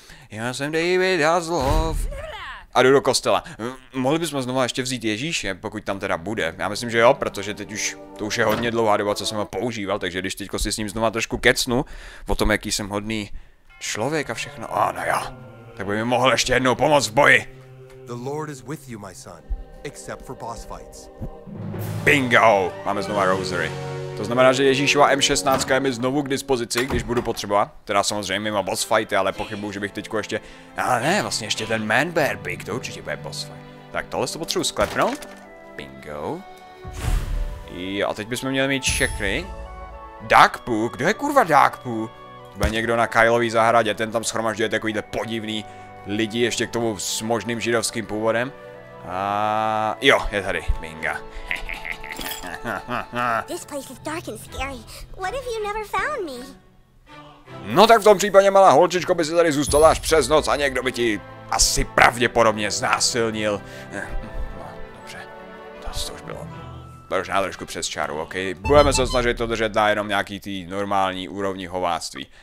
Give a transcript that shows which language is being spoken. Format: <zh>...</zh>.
<cs>Já jsem David Hasselhoff. A jdu do kostela. Mohli bychom znovu ještě vzít Ježíše, pokud tam teda bude. Já myslím, že jo, protože teď už to už je hodně dlouhá doba, co jsem ho používal, takže když teďko si s ním znovu trošku kecnu o tom, jaký jsem hodný člověk a všechno. A no jo. Tak by mi mohl ještě jednou pomoct v boji.</cs> <en>The Lord is with you, my son, except for boss fights.</en> <cs>Bingo! Máme znovu Rosary. To znamená, že Ježíšova M16 je mi znovu k dispozici, když budu potřebovat. Teda samozřejmě mimo boss fighty, ale pochybuju, že bych teďko ještě... Ale ne, vlastně ještě ten Man Bear Pig, to určitě bude boss fight. Tak tohle se potřebuji sklepnout. Bingo. Jo, a teď bychom měli mít všechny. Duck Poo? Kdo je kurva Duck Poo? To bude někdo na Kylový zahradě, ten tam shromažďuje takovýhle podivný lidi ještě k tomu s možným židovským původem. A jo, je tady. Bingo.</cs> <en>This place is dark and scary. What if you never found me?</en> <cs>No tak v tom případě, malá holčičko, by si tady zůstala až přes noc a někdo by ti asi pravděpodobně znásilnil. No, dobře. To už bylo. Bylo už na trošku přes čáru, ok? Budeme se snažit to držet na jenom nějaký tý normální úrovni hováctví.</cs>